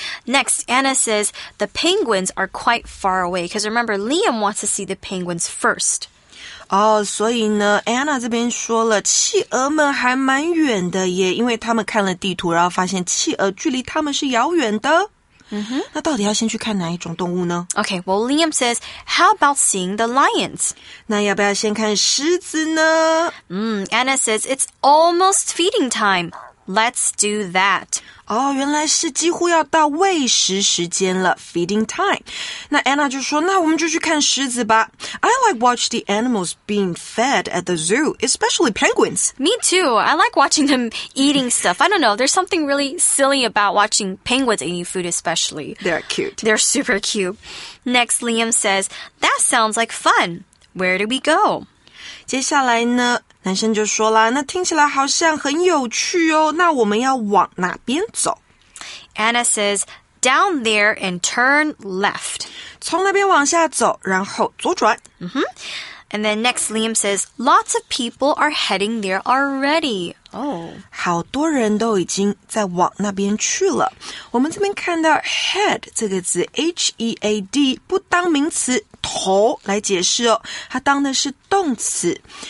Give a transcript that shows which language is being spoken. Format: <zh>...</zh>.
<en>Next, Anna says, the penguins are quite far away. Because remember, Liam wants to see the penguins first.</en> <zh>哦，所以呢 ，Anna 这边说了，企鹅们还蛮远的耶，因为他们看了地图，然后发现企鹅距离他们是遥远的。 Mm-hmm. 那到底要先去看哪一种动物呢</zh> <en>？Okay, well, Liam says, how about seeing the lions?</en> <zh>那要不要先看狮子呢</zh> <en>？Anna says it's almost feeding time. Let's do that.</en> <zh>哦，原来是几乎要到喂食时间了 ，</zh> <en>feeding time.</en> <zh>那 Anna 就说，那我们就去看狮子吧。</zh> <en>I like watch the animals being fed at the zoo, especially penguins. Me too. I like watching them eating stuff. I don't know. There's something really silly about watching penguins eating food, especially. They're cute. They're super cute. Next, Liam says, that sounds like fun. Where do we go?</en> <zh>接下来呢？男生就说啦，那听起来好像很有趣哦，那我们要往哪边走</zh> <en>？Anna says, down there and turn left.</en> <zh>从那边往下走，然后左转。 Mm-hmm.</zh> <en>And then next, Liam says, lots of people are heading there already.</en> <zh>Oh. 好多人都已经在往那边去了。我们这边看到 head 这个字 ,H-E-A-D, 不当名词头来解释哦，它当的是动词。</zh>